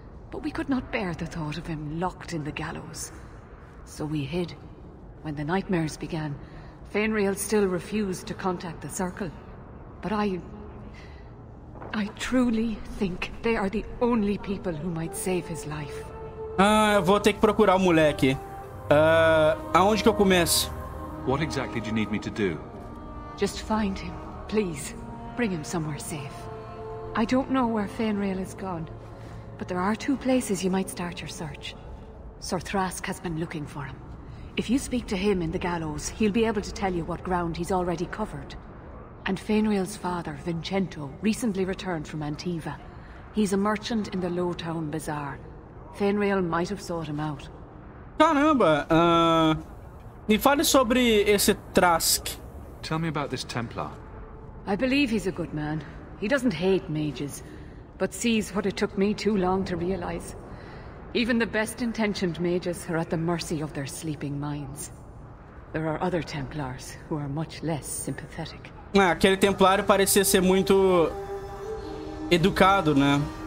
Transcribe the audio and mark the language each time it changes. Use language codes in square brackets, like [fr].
[en] But we could not bear the thought of him locked in the gallows. So we hid. When the nightmares began, feynriel still refused to contact the Circle. But I truly think they are the only people who might save his life. [pt] Ah, eu vou ter que procurar o moleque. Aonde que eu começo? [en] What exactly do you need me to do? Just find him, please. Bring him somewhere safe. I don't know where feynriel is gone, but there are two places you might start your search. Sir Thrask has been looking for him. If you speak to him in the gallows, he'll be able to tell you what ground he's already covered. And feynriel's father, Vincenzo, recently returned from Antiva. He's a merchant in the low town bazaar. Feynriel might have sought him out. [pt] Caramba! Me fale sobre esse Trask. [en] Tell me about this Templar. I believe he's a good man. He doesn't hate mages, but sees what it took me too long to realize. Even the best-intentioned mages are at the mercy of their sleeping minds. There are other Templars who are much less sympathetic. [pt] Ah, aquele Templário parecia ser muito educado, né?